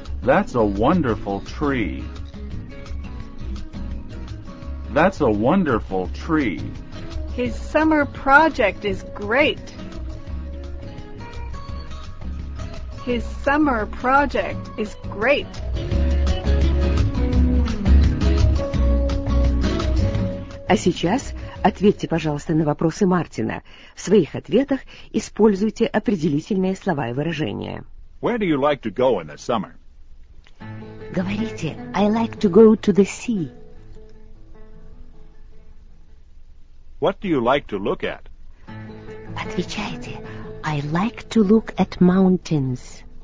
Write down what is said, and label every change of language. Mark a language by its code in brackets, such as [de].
[en] That's a wonderful tree. That's a wonderful tree. His summer project is great. His summer project is great. [ru] А сейчас ответьте, пожалуйста, на вопросы Мартина. В своих ответах используйте определительные слова и выражения. [en] Where do you like to go in the summer? [ru] Говорите, [en] I like to go to the sea. What do you like to look at? [ru] Отвечайте, [en] I like to look at mountains.